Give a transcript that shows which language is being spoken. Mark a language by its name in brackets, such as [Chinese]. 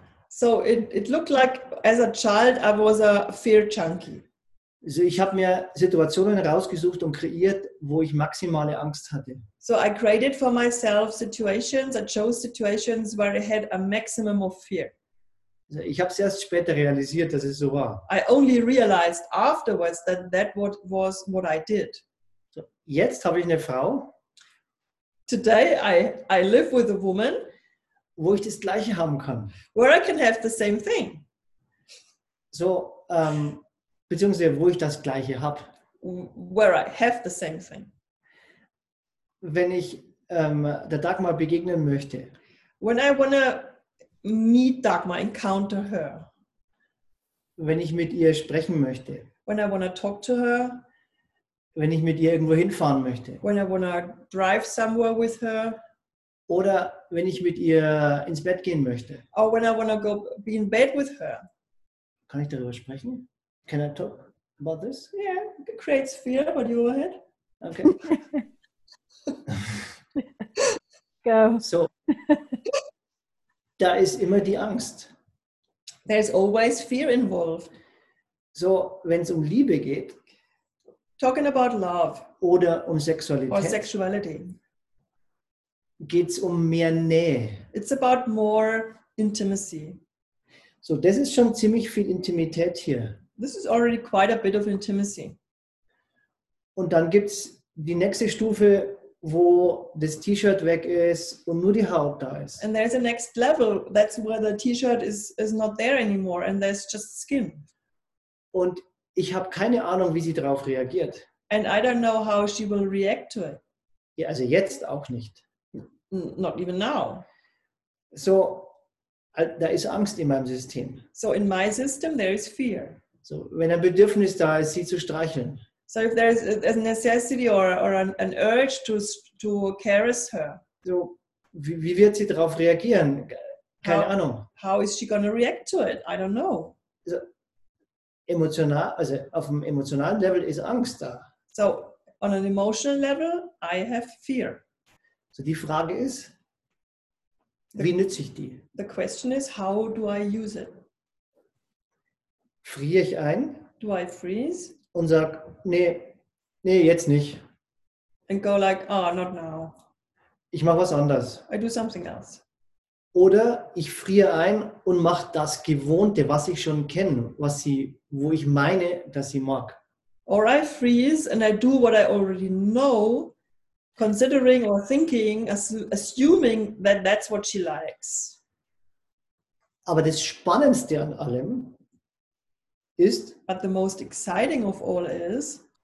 [English] So it looked like as a child I was a fear-Junkie. [German] So ich habe mir Situationen rausgesucht und kreiert, wo ich maximale Angst hatte. [English] So I created for myself situations, I chose situations where I had a maximum of fear. [German] So ich habe es erst später realisiert, dass es so war. [English] I only realized afterwards that that was what I did. [German] So jetzt habe ich eine Frau. [English] Today I live with a woman, [German] wo ich das Gleiche haben kann. [English] Where I can have the same thing. [German] So, beziehungsweise wo ich das Gleiche habe. [English] Where I have the same thing. [German] Wenn ich der Dagmar begegnen möchte. [English] When I wanna meet Dagmar, encounter her. [German] Wenn ich mit ihr sprechen möchte. [English] When I wanna talk to her. [German] Wenn ich mit ihr irgendwo hinfahren möchte. [English] When I wanna drive somewhere with her. [German] Oder wenn ich mit ihr ins Bett gehen möchte. [English] Or when I wanna go be in bed with her. [German] Kann ich darüber sprechen? [English] Can I talk about this? Yeah, it creates fear, but you go ahead. Okay. Go. [German] So, da ist immer die Angst. [English] There's always fear involved. [German] So, wenn es um Liebe geht. [English] Talking about love. [German] Oder um Sexualität. [English] Or sexuality. [German] geht's um mehr Nähe. [English] It's about more intimacy. [German] So, das ist schon ziemlich viel Intimität hier. [English] This is already quite a bit of intimacy. [German] Und dann gibt's die nächste Stufe, wo das T-Shirt weg ist und nur die Haut da ist. [English] And there's a next level, that's where the T-Shirt is not there anymore and there's just skin. [German] Und ich habe keine Ahnung, wie sie darauf reagiert. [English] And I don't know how she will react to it. [German] Ja, also jetzt auch nicht. [English] Not even now. [German] So, da ist Angst in meinem System. [English] So in my system there is fear. [German] So, wenn ein Bedürfnis da ist, sie zu streicheln. [English] So if there is a necessity or an urge to caress her. [German] So, wie wird sie darauf reagieren? Keine Ahnung. [English] How is she going to react to it? I don't know. [German] So, emotional, also auf dem emotionalen Level ist Angst da. [English] So on an emotional level, I have fear. [German] So die Frage ist, wie nütze ich die? [English] The question is, how do I use it? [German] Friere ich ein? [English] Do I freeze? [German] Und sag, nee, jetzt nicht. [English] And go like, oh, not now. [German] Ich mache was anders. [English] I do something else. [German] Oder ich friere ein und mache das Gewohnte, was ich schon kenne, was sie, wo ich meine, dass sie mag. [English] Or I freeze and I do what I already know, considering or thinking, assuming that that's what she likes. [German] Aber das Spannendste an allem ist, [English] but the most exciting of all is,